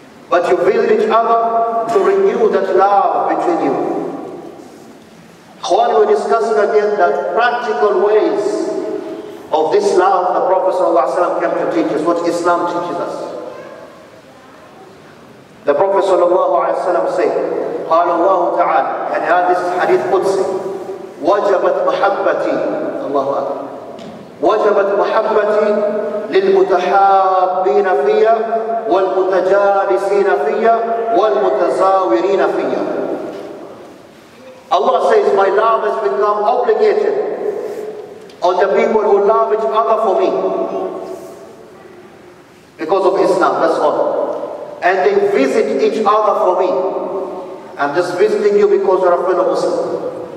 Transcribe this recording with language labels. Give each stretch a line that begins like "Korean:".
English: But you visit each other to renew that love between you. Khwani, we're discussing again the practical ways of this love the Prophet ﷺ came to teach us, what Islam teaches us. The Prophet ﷺ said,
Arabic: قال الله تعالى,
English: and had this hadith Qudsi,
Arabic: وَجَبَتْ مَحَبَّتِي, Allah Akbar, وَجَبَتْ مَحَبَّتِي لِلْمُتَحَابِّينَ فِيَّ وَالْمُتَجَالِسِينَ فِيَّ وَالْمُتَزَاوِرِينَ فِيَّ.
English: Allah says, my love has become obligated on the people who love each other for me because of Islam, that's all. And they visit each other for me. I'm just visiting you because you're a fellow Muslim.